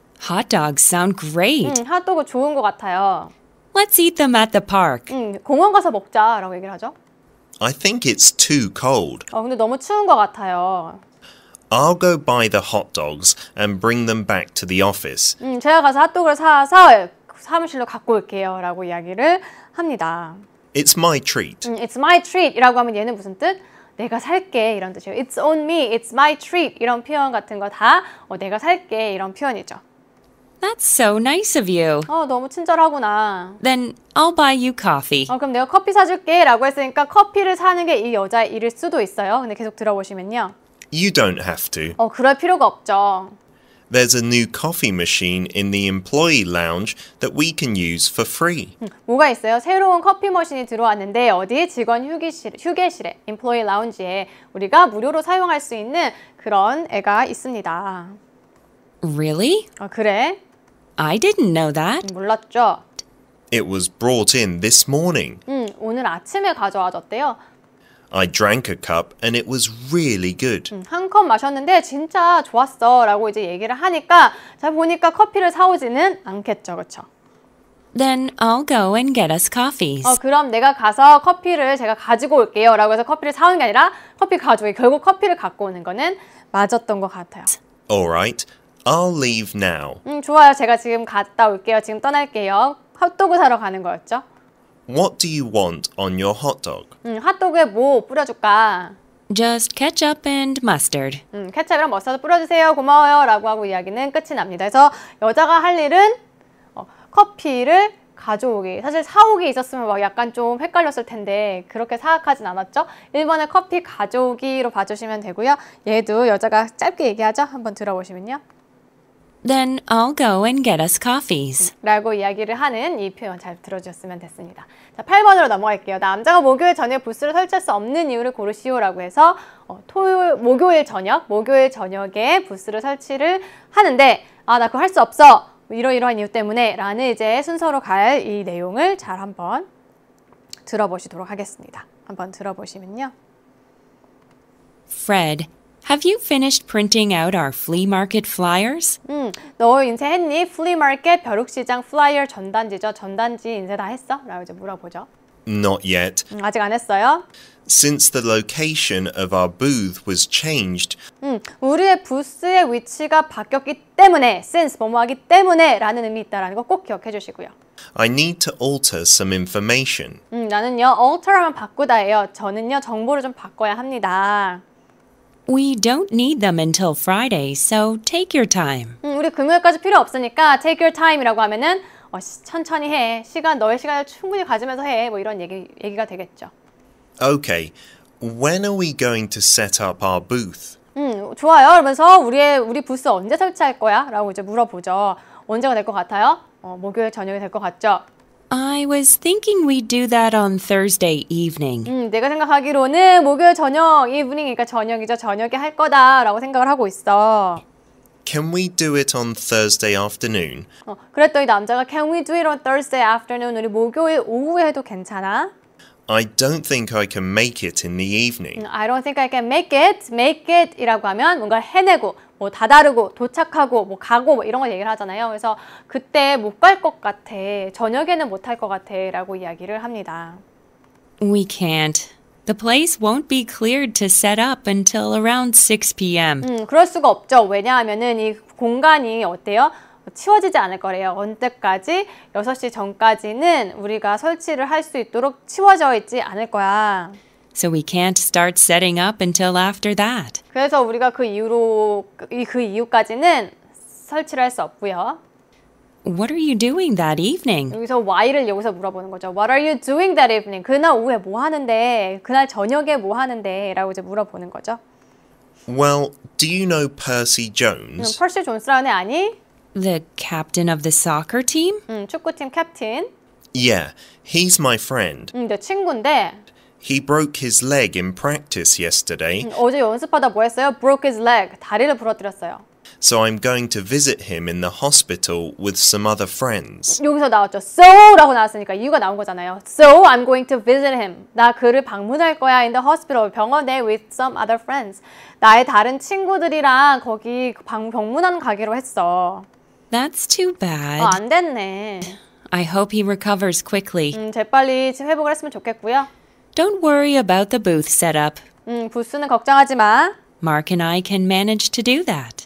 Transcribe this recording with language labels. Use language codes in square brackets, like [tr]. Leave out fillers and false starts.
[en] Hot dogs sound great. [ko] 핫도그 좋은 것 같아요. [en] Let's eat them at the park. [ko] 공원 가서 먹자 라고 얘기를 하죠. [en] I think it's too cold. [ko] 근데 너무 추운 것 같아요. [en] I'll go buy the hot dogs and bring them back to the office. [ko] 제가 가서 핫도그를 사서 사무실로 갖고 올게요 라고 이야기를 합니다. [en] It's my treat. It's my treat [ko] 이라고 하면 얘는 무슨 뜻? 내가 살게 이런 뜻이에요. [en] It's on me, it's my treat [ko] 이런 표현 같은 거 다 내가 살게 이런 표현이죠. [en] That's so nice of you. [ko] 너무 친절하구나. [en] Then I'll buy you coffee. [ko] 그럼 내가 커피 사줄게 라고 했으니까 커피를 사는 게 이 여자의 일일 수도 있어요. 근데 계속 들어보시면요. [en] You don't have to. [ko] 그럴 필요가 없죠. [en] There's a new coffee machine in the employee lounge that we can use for free. [ko] 뭐가 있어요? 새로운 커피 머신이 들어왔는데 어디? 직원 휴게실에, [en] employee lounge [ko] 에 우리가 무료로 사용할 수 있는 그런 애가 있습니다. [en] Really? [ko] 그래? [en] I didn't know that. [ko] 몰랐죠? [en] It was brought in this morning. [ko] 오늘 아침에 가져와졌대요. [en] I drank a cup and it was really good. [ko] 한 컵 마셨는데 진짜 좋았어 라고 이제 얘기를 하니까 잘 보니까 커피를 사오지는 않겠죠, 그쵸? [en] Then I'll go and get us coffees. [ko] 그럼 내가 가서 커피를 제가 가지고 올게요 라고 해서 커피를 사오는 게 아니라 커피 가져오게 결국 커피를 갖고 오는 거는 맞았던 것 같아요. [en] Alright, I'll leave now. [ko] 좋아요, 제가 지금 갔다 올게요. 지금 떠날게요. 핫도그 사러 가는 거였죠? [en] What do you want on your hot dog? [ko] 핫도그에 뭐 뿌려줄까? [en] Just ketchup and mustard. [ko] 케첩이랑 머스타드 뿌려주세요. 고마워요. 라고 하고 이야기는 끝이 납니다. 그래서 여자가 할 일은 커피를 가져오기. 사실 사오기 있었으면 막 약간 좀 헷갈렸을 텐데 그렇게 사악하진 않았죠? 1번은 커피 가져오기로 봐주시면 되고요. 얘도 여자가 짧게 얘기하죠. 한번 들어보시면요. [en] Then I'll go and get us coffees. [ko] 라고 이야기를 하는 이 표현 잘 들어주셨으면 됐습니다. 자, 8번으로 넘어갈게요. 남자가 목요일 저녁 부스를 설치할 수 없는 이유를 고르시오 라고 해서 목요일 저녁에 부스를 설치를 하는데 나 그거 할 수 없어 이러이러한 이유 때문에 라는 이제 순서로 갈 이 내용을 잘 한번 들어보시도록 하겠습니다. 한번 들어보시면요. [en] Fred, have you finished printing out our flea market flyers? [ko] 너 인쇄 했니? 플리마켓 벼룩시장 플라이어 전단지죠. 전단지 인쇄 다 했어? 라고 이제 물어보죠. [en] Not yet. [ko] 아직 안 했어요. [en] Since the location of our booth was changed. [ko] 우리의 부스의 위치가 바뀌었기 때문에 since 뭐뭐하기 때문에 라는 의미 있다라는 거 꼭 기억해 주시고요. [en] I need to alter some information. [ko] 나는요. alter 하면 바꾸다예요. 저는요. 정보를 좀 바꿔야 합니다. [en] We don't need them until Friday, so take your time. [ko] 우리 금요일까지 필요 없으니까 [en] take your time [ko] 이라고 하면은 천천히 해. 시간 너의 시간을 충분히 가지면서 해. 뭐 이런 얘기가 되겠죠. [en] Okay. When are we going to set up our booth? [ko] 좋아요. 그러면서 우리 부스 언제 설치할 거야? 라고 이제 물어보죠. 언제가 될 것 같아요? 목요일 저녁이 될 것 같죠? [en] I was thinking we'd do that on Thursday evening. [ko] 내가 생각하기로는 목요일 저녁, evening이니까 저녁이죠. 저녁에 할 거다라고 생각을 하고 있어. [en] Can we do it on Thursday afternoon? [ko] 그랬더니 남자가 [en] Can we do it on Thursday afternoon? [ko] 우리 목요일 오후에 해도 괜찮아? [en] I don't think I can make it in the evening. I don't think I can make it. Make it [ko] 이라고 하면 뭔가 해내고 뭐 다다르고 도착하고 뭐 가고 뭐 이런 걸 얘기를 하잖아요. 그래서 그때 못 갈 것 같아. 저녁에는 못 할 것 같아 라고 이야기를 합니다. [en] We can't. The place won't be cleared to set up until around 6 p.m. [ko] 그럴 수가 없죠. 왜냐하면은 이 공간이 어때요? 치워지지 않을 거래요. 언제까지? 6시 전까지는 우리가 설치를 할 수 있도록 치워져 있지 않을 거야. [en] So we can't start setting up until after that. [ko] 그래서 우리가 그 이후로 그 이후까지는 설치를 할 수 없고요. [en] What are you doing that evening? [ko] 여기서 why를 여기서 물어보는 거죠. [en] What are you doing that evening? [ko] 그날 오후에 뭐 하는데? 그날 저녁에 뭐 하는데? 라고 이제 물어보는 거죠. [en] Well, do you know Percy Jones? [ko] 퍼시 존스라는 애 아니? [en] The captain of the soccer team? [ko] 축구팀 캡틴. [en] Yeah, he's my friend. [ko] 내 친구인데. [en] He broke his leg in practice yesterday. [ko] 어제 연습하다 뭐 했어요? [en] Broke his leg. [ko] 다리를 부러뜨렸어요. [en] So I'm going to visit him in the hospital with some other friends. [ko] 여기서 나왔죠. So 라고 나왔으니까 이유가 나온 거잖아요. [en] So I'm going to visit him. [ko] 나 그를 방문할 거야 [en] in the hospital. [ko] 병원에 with some other friends. 나의 다른 친구들이랑 거기 방문하는 가기로 했어. [en] That's too bad. [ko] 안 됐네. [en] I hope he recovers quickly. [ko] 재빨리 회복을 했으면 좋겠고요. [en] Don't worry about the booth setup. [ko] 부스는 걱정하지 마. [en] Mark and I can manage to do that.